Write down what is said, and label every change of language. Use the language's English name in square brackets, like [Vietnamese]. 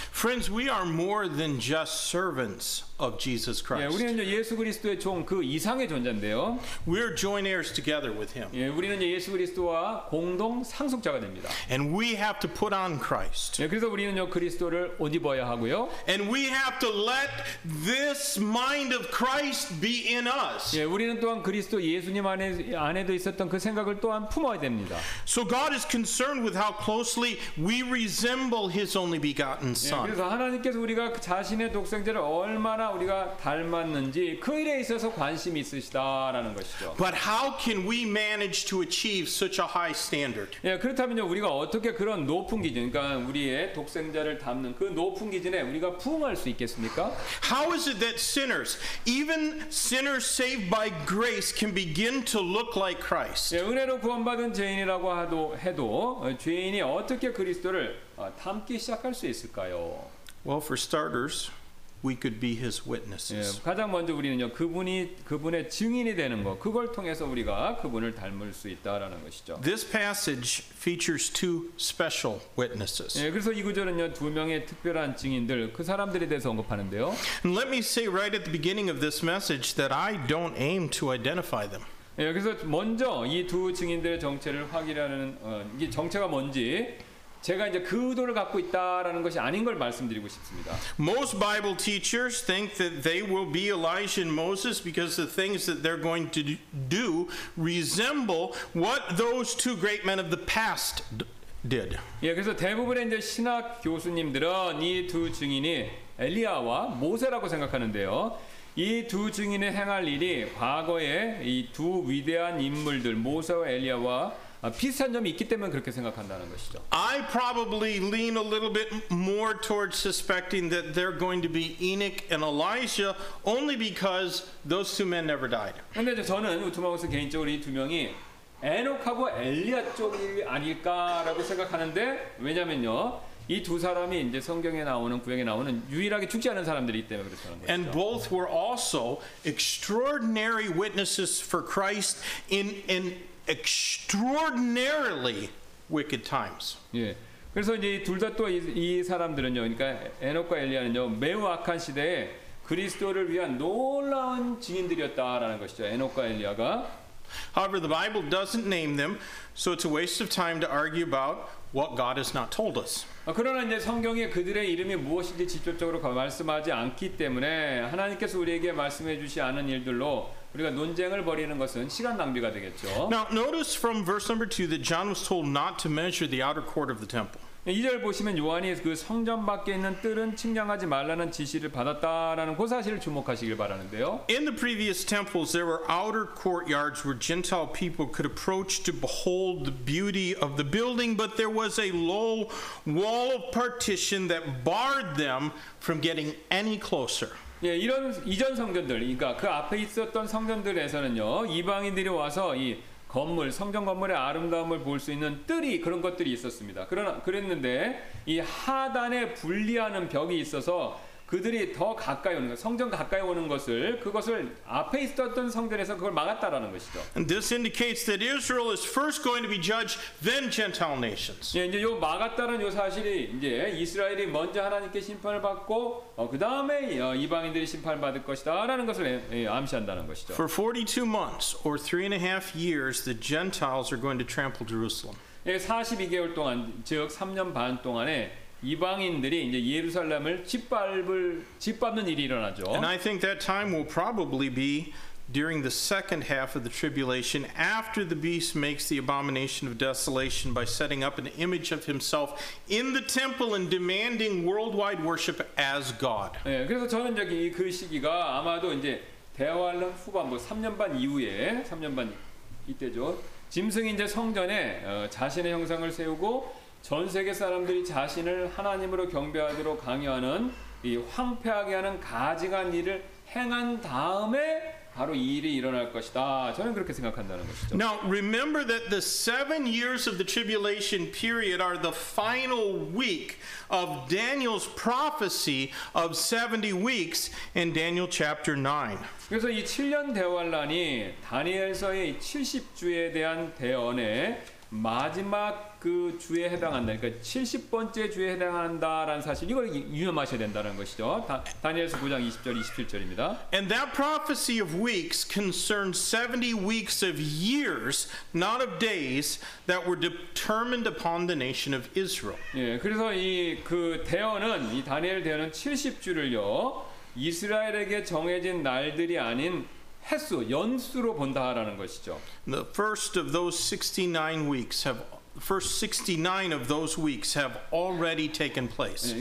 [English] Friends, we are more than just servants of Jesus Christ. [Korean] 예, 우리는 예수 그리스도의 종 그 이상의 존재인데요. [English] We're joint heirs together with Him. [Korean] 예, 우리는 예수 그리스도와 공동 상속자가 됩니다. [English] And we have to put on Christ. [Korean] 예, 그래서 우리는 그리스도를 옷 입어야 하고요. [English] And we have to let this mind of Christ be in us. [Korean] 예, 우리는 또한 그리스도 예수님 안에도 있었던 그 생각을 또한 품어야 됩니다. [English] So God is concerned with how closely we resemble His only begotten Son. [Korean] 예, 그래서 하나님께서 우리가 자신의 독생자를 얼마나 우리가 닮았는지 그 일에 있어서 관심이 있으시다라는 것이죠. [English] But how can we manage to achieve such a high standard? [Korean] 예, 그렇다면요 우리가 어떻게 그런 높은 기준, 그러니까 우리의 독생자를 닮는 그 높은 기준에 우리가 부응할 수 있겠습니까? [English] How is it that sinners, even sinners saved by grace, can begin to look like Christ? [Korean] 예, 은혜로 구원받은 죄인이라고. 해도 죄인이 어떻게 그리스도를 닮기 시작할 수 있을까요? [English] Well, for starters, we could be His witnesses. [Korean] 예, 가장 먼저 우리는요 그분의 증인이 되는 것, 그걸 통해서 우리가 그분을 닮을 수 있다라는 것이죠. [English] This passage features two special witnesses. [Korean] 예, 그래서 이 구절은요 두 명의 특별한 증인들, 그 사람들에 대해서 언급하는데요. [English] And let me say right at the beginning of this message that I don't aim to identify them. [Korean] 예, 그래서 먼저 이 두 증인들의 정체를 확인하는 이게 정체가 뭔지 제가 이제 그 의도를 갖고 있다라는 것이 아닌 걸 말씀드리고 싶습니다. [English] Most Bible teachers think that they will be Elijah and Moses because the things that they're going to do resemble what those two great men of the past did. [Korean] 예, 그래서 대부분의 이제 신학 교수님들은 이 두 증인이 엘리야와 모세라고 생각하는데요. 이 두 증인의 행할 일이 과거에 이 두 위대한 인물들 모세와 엘리야와 비슷한 점이 있기 때문에 그렇게 생각한다는 것이죠. [English] I probably lean a little bit more towards suspecting that they're going to be Enoch and Elijah only because those two men never died. [Korean] 근데 저는 우투마우스 개인적으로 이 두 명이 에녹하고 엘리야 쪽이 아닐까라고 생각하는데 왜냐면요. 이 두 사람이 이제 성경에 나오는 구약에 나오는 유일하게 죽지 않은 사람들이기 때문에 그렇다는 거죠. [English] And both were also extraordinary witnesses for Christ in an extraordinarily wicked times. [Korean] 예. 그래서 이제 둘 다 또 이 사람들은요. 그러니까 에녹과 엘리야는요. 매우 악한 시대에 그리스도를 위한 놀라운 증인들이었다라는 것이죠. 에녹과 엘리야가 [English] However, the Bible doesn't name them, so it's a waste of time to argue about what God has not told us. [Korean] 그러나 이제 성경에 그들의 이름이 무엇인지 직접적으로 말씀하지 않기 때문에 하나님께서 우리에게 말씀해 주시지 않은 일들로 우리가 논쟁을 벌이는 것은 시간 낭비가 되겠죠. [English] Now notice from verse number 2 that John was told not to measure the outer court of the temple. [Korean] 2절 보시면 요한이 그 성전 밖에 있는 뜰은 측량하지 말라는 지시를 받았다라는 그 사실을 주목하시길 바라는데요. [English] In the previous temples there were outer courtyards where Gentile people could approach to behold the beauty of the building, but there was a low wall of partition that barred them from getting any closer. [Korean] 예, 이런 이전 성전들, 그러니까 그 앞에 있었던 성전들에서는요, 이방인들이 와서 이 건물, 성전 건물의 아름다움을 볼 수 있는 뜰이 그런 것들이 있었습니다. 그러나 그랬는데 이 하단에 분리하는 벽이 있어서 그들이 더 가까이 오는 것, 성전 가까이 오는 것을 그것을 앞에 있었던 성전에서 그걸 막았다라는 것이죠. [English] And this indicates that Israel is first going to be judged, then Gentile nations. [Korean] 예, 이제 요 막았다는 요 사실이 이제 이스라엘이 먼저 하나님께 심판을 받고 그 다음에 이방인들이 심판을 받을 것이다라는 것을 암시한다는 것이죠. [English] For 42 months or 3.5 years, the Gentiles are going to trample Jerusalem. [Korean] 예, 42개월 동안, 즉 3년 반 동안에 이방인들이 이제 예루살렘을 짓밟는 일이 일어나죠. [English] And I think that time will probably be during the second half of the tribulation, after the beast makes the abomination of desolation by setting up an image of himself in the temple and demanding worldwide worship as God. [Korean] 예, 그래서 저는 저기 그 시기가 아마도 이제 대활란 후반부 3년 반 이후에 3년 반 이때죠. 짐승이 이제 성전에 자신의 형상을 세우고 전 세계 사람들이 자신을 하나님으로 경배하도록 강요하는 이 황폐하게 하는 가증한 일을 행한 다음에 바로 이 일이 일어날 것이다. 저는 그렇게 생각한다는 것이죠. [English] Now remember that the 7 years of the tribulation period are the final week of Daniel's prophecy of 70 weeks in Daniel chapter 9. [Korean] 그래서 이 7년 대환란이 다니엘서의 70주에 대한 대언에 마지막 그 주에 해당한다. 그러니까 70번째 주에 해당한다라는 사실 이걸 유념하셔야 된다는 것이죠. 다니엘서 9장 20절 27절입니다. [English] And that prophecy of weeks concerns 70 weeks of years, not of days that were determined upon the nation of Israel. [Korean] 예, 그래서 이 그 대언은 이 다니엘 대언은 70주를요. 이스라엘에게 정해진 날들이 아닌 횟수, 연수로 본다라는 것이죠. [English] The first of those 69 weeks have first 69 of those weeks have already taken place.